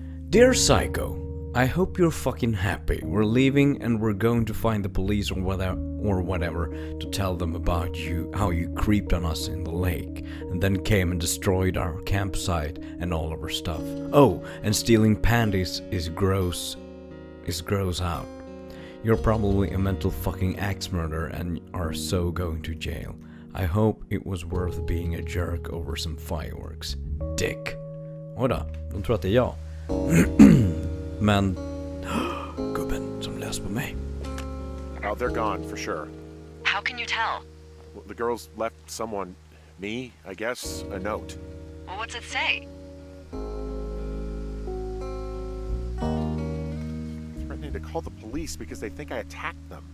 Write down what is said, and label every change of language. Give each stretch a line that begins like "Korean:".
English: Dear Psycho, I hope you're fucking happy. We're leaving and we're going to find the police or whatever to tell them about you, how you creeped on us in the lake and then came and destroyed our campsite and all of our stuff. Oh, and stealing panties is gross out. You're probably a mental fucking axe murderer and are so going to jail. I hope it was worth being a jerk over some fireworks. Dick.
Swedish: Oda, de tror att det är jag. Men gubben som läst på mig.
English: Now they're gone for sure. How can you tell? Well, the girls left someone, me, I guess, a note. Well, what's it say? Threatening to call the police because they think I attacked them.